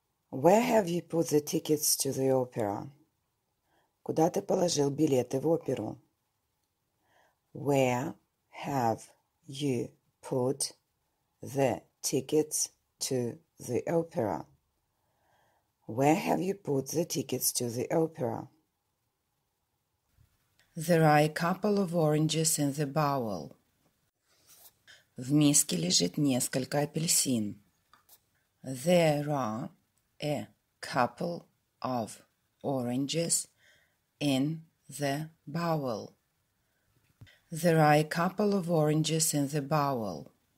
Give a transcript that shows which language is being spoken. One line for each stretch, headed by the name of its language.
English: Where have you put the tickets to the opera?
Russian: Куда ты положил билеты в оперу?
English: Where have you put the tickets to the opera? Where have you put the tickets to the opera? There are a couple of oranges in the bowl.
Russian: В миске лежит несколько апельсин.
English: There are a couple of oranges in the bowl. There are a couple of oranges in the bowl.